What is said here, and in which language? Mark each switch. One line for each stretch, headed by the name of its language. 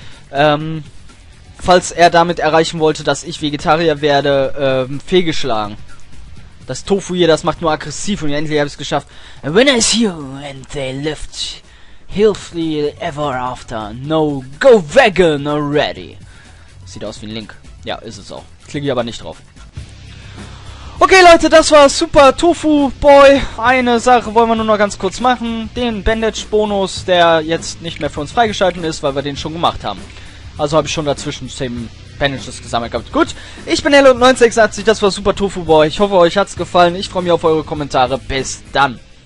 German: Falls er damit erreichen wollte, dass ich Vegetarier werde, fehlgeschlagen. Das Tofu hier, das macht nur aggressiv und endlich habe ich es geschafft.
English: A winner is you and they lived healthily ever after. No, go vegan already.
German: Sieht aus wie ein Link. Ja, ist es auch. Klicke ich aber nicht drauf. Okay, Leute, das war Super Tofu Boy. Eine Sache wollen wir nur noch ganz kurz machen. Den Bandage-Bonus, der jetzt nicht mehr für uns freigeschalten ist, weil wir den schon gemacht haben. Also habe ich schon dazwischen 10 Bandages gesammelt gehabt. Gut, ich bin Hello986, das war Super Tofu Boy. Ich hoffe, euch hat es gefallen. Ich freue mich auf eure Kommentare. Bis dann.